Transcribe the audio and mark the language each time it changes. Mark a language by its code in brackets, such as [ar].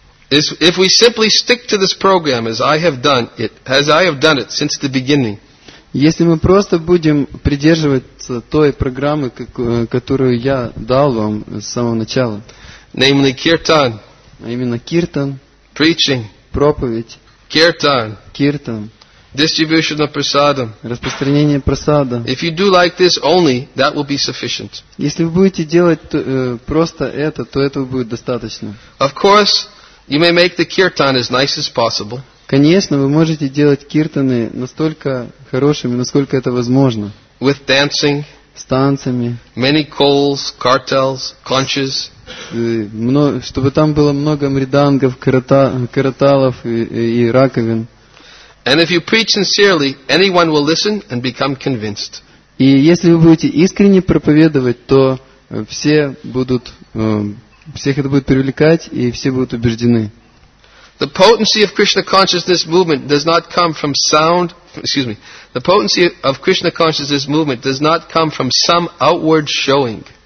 [en] If we simply stick to this program as I have done it since the beginning. [ru] Если мы просто будем придерживаться той программы, которую я дал вам с самого начала. [en] Namely kirtan. [ru] А именно kirtan. [en] Preaching. [ru] Проповедь. [en] Kirtan. [ru] Kirtan. [en] Distribution of prasadam. [ru] Распространение просада. [en] If you do like this only, that will be sufficient. [ru] Если вы будете делать просто это, то этого будет достаточно. [en] Of course, you may make the kirtan as nice as possible. [ru] Конечно, вы можете делать киртаны настолько хорошими, насколько это возможно. [en] With dancing. [ru] С танцами. [en] Many calls, cartels, conches. [ru] Чтобы там было много мридангов, караталов и раковин. [en] And if you preach sincerely, anyone will listen and become convinced. [ru] И если вы будете искренне проповедовать, то все будут всех это будет привлекать, и все будут убеждены. [en] The potency of Krishna consciousness movement does not come from sound. Excuse me. The potency of Krishna consciousness movement does not come from some outward showing.